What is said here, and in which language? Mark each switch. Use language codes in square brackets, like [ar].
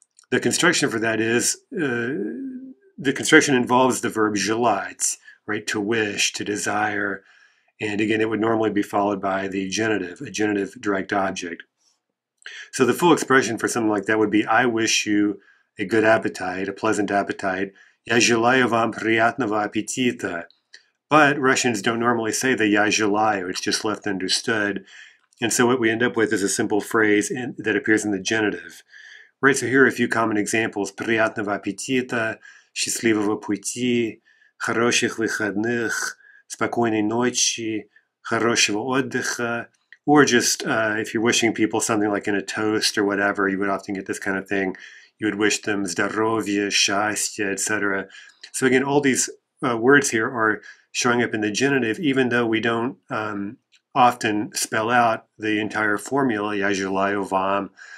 [en] The construction for that is, the construction involves the verb желать, right? To wish, to desire. And again, it would normally be followed by the genitive, a genitive direct object. So the full expression for something like that would be, I wish you a good appetite, a pleasant appetite. [ru] Я желаю вам приятного аппетита. [en] But Russians don't normally say the [ru] я желаю. [en] It's just left understood. And so what we end up with is a simple phrase that appears in the genitive. Right, so here are a few common examples. [ru] Приятного аппетита, счастливого пути, хороших выходных, спокойной ночи, хорошего отдыха. [en] Or just if you're wishing people something like in a toast or whatever, you would often get this kind of thing. You would wish them [ru] здоровья, счастья, [en] etc. So again, all these words here are showing up in the genitive, even though we don't often spell out the entire formula, [ru] я желаю вам.